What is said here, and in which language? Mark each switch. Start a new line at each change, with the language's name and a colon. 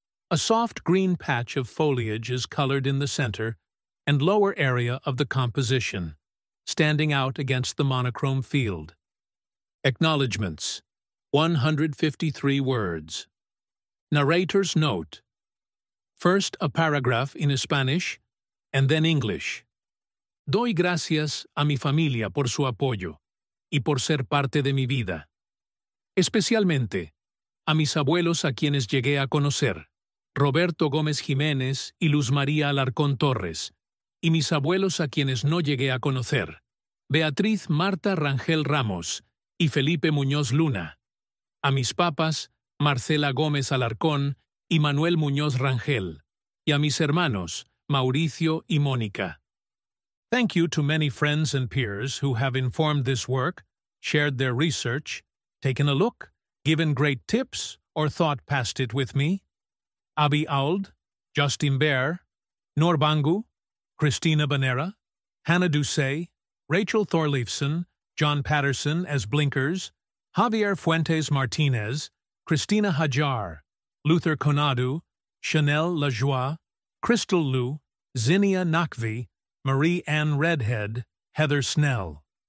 English: A soft green patch of foliage is colored in the center and lower area of the composition, standing out against the monochrome field. Acknowledgements. 153 words. Narrator's note. First a paragraph in Spanish, and then English.
Spanish: Doy gracias a mi familia por su apoyo y por ser parte de mi vida. Especialmente a mis abuelos a quienes llegué a conocer, Roberto Gómez Jiménez y Luz María Alarcón Torres, y mis abuelos a quienes no llegué a conocer, Beatriz Marta Rangel Ramos y Felipe Muñoz Luna, a mis papas, Marcela Gómez Alarcón y Manuel Muñoz Rangel, y a mis hermanos, Mauricio y Mónica.
English: Thank you to many friends and peers who have informed this work, shared their research, taken a look, given great tips, or thought past it with me. Abby Auld, Justin Baer, Nor Bangu, Christina Banera, Hannah Ducey, Rachel Thorleifson, John Patterson as Blinkers, Javier Fuentes Martinez, Christina Hajar, Luther Conadu, Chanel Lajoie, Crystal Liu, Zinnia Nakvi, Marie Ann Redhead, Heather Snell.